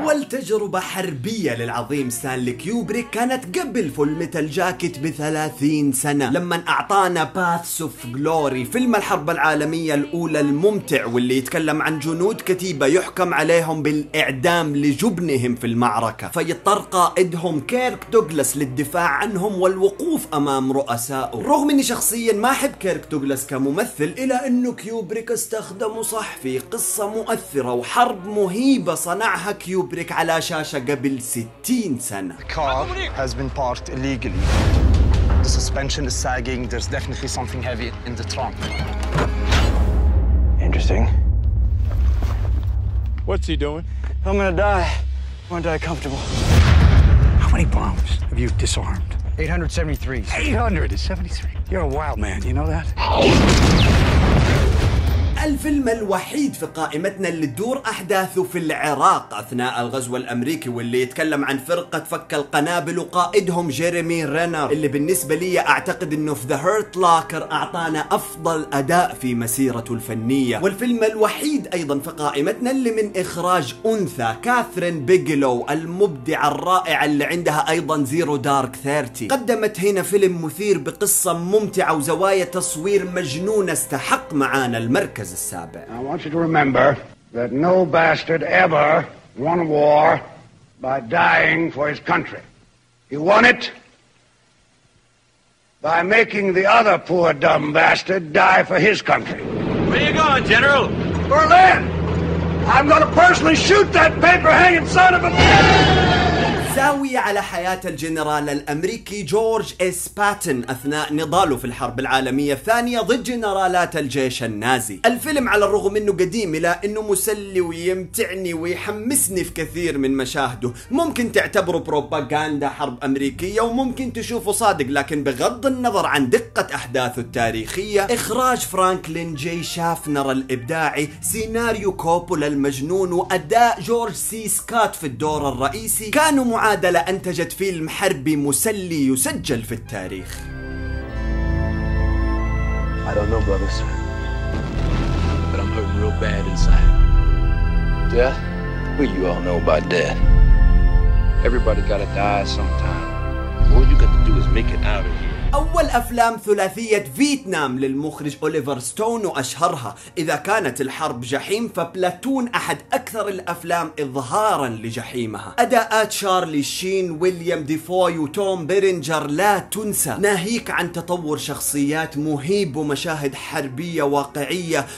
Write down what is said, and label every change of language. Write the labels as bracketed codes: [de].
[ar] تجربة حربية للعظيم ستانلي كيوبريك كانت قبل فول ميتال جاكيت بثلاثين سنة، لما أعطانا باثس أوف جلوري، فيلم الحرب العالمية الأولى الممتع واللي يتكلم عن جنود كتيبة يحكم عليهم بالإعدام لجبنهم في المعركة، فيضطر قائدهم كيرك دوغلاس للدفاع عنهم والوقوف أمام رؤسائه. رغم أني شخصيا ما أحب كيرك دوغلاس كممثل، إلى أنه كيوبريك استخدمه صح في قصة مؤثرة وحرب مهيبة صنعها كيوبريك على شاشة قبل 60 سنة. [en] The car has been parked illegally. The suspension is sagging. There's definitely something heavy in the trunk. Interesting. What's he doing? I'm gonna die. I'm gonna die comfortable. How many bombs have you disarmed? 873. 873. You're a wild man. You know that? [ar] الفيلم الوحيد في قائمتنا اللي تدور أحداثه في العراق أثناء الغزو الأمريكي، واللي يتكلم عن فرقة فك القنابل وقائدهم جيريمي رينر، اللي بالنسبة لي أعتقد أنه في The Hurt Locker أعطانا أفضل أداء في مسيرته الفنية. والفيلم الوحيد أيضا في قائمتنا اللي من إخراج أنثى، كاثرين بيجلو المبدعة الرائعة اللي عندها أيضا زيرو دارك 30، قدمت هنا فيلم مثير بقصة ممتعة وزوايا تصوير مجنونة استحق معانا المركز. [en] I want you to remember that no bastard ever won a war by dying for his country. He won it by making the other poor dumb bastard die for his country. Where are you going, General? Berlin! I'm gonna personally shoot that paper-hanging son of a... [ar] زاوية على حياة الجنرال الأمريكي جورج إس باتن أثناء نضاله في الحرب العالمية الثانية ضد جنرالات الجيش النازي. الفيلم على الرغم أنه قديم إلى أنه مسلي ويمتعني ويحمسني في كثير من مشاهده. ممكن تعتبره بروباغاندا حرب أمريكية وممكن تشوفه صادق، لكن بغض النظر عن دقة أحداثه التاريخية، إخراج فرانكلين جي شافنر الإبداعي، سيناريو كوبولا المجنون، وأداء جورج سي سكات في الدور الرئيسي، كانوا معادلة أنتجت فيلم حربي مسلي يسجل في التاريخ. [en] I don't know, brother, sir. But I'm hurting real bad inside. Death? Well, you all know about death. Everybody gotta die sometime. All you got to do is make it out of here. [ar] أول أفلام ثلاثية فييتنام للمخرج أوليفر ستون وأشهرها إذا كانت الحرب جحيم فبلاتون أحد أكثر الأفلام إظهاراً لجحيمها. أداءات شارلي شين، ويليام ديفوي وتوم بيرينجر لا تنسى، ناهيك عن تطور شخصيات مهيب ومشاهد حربية واقعية.